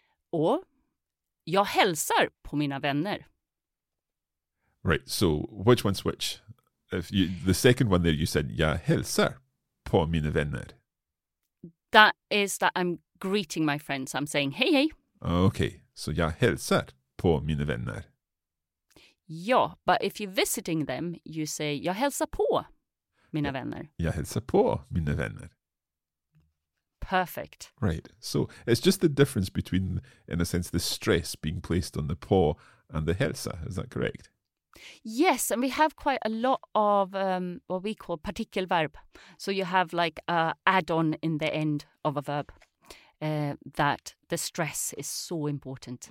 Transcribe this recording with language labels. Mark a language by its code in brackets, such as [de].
[sv] Och jag hälsar på mina vänner. [en] Right, so which one's which? If you, the second one there, you said, [sv] jag hälsar på mina vänner. [en] That is that I'm greeting my friends. I'm saying, hej, hej. [sv] Okay, so jag hälsar på mina vänner. [en] Ja, but if you're visiting them, you say, [sv] jag hälsar på mina vänner. Jag hälsar på mina vänner. [en] Perfect. Right, so it's just the difference between, in a sense, the stress being placed on the på and the hälsa. Is that correct? Yes, and we have quite a lot of what we call partikelverb. So you have like a add-on in the end of a verb that the stress is so important.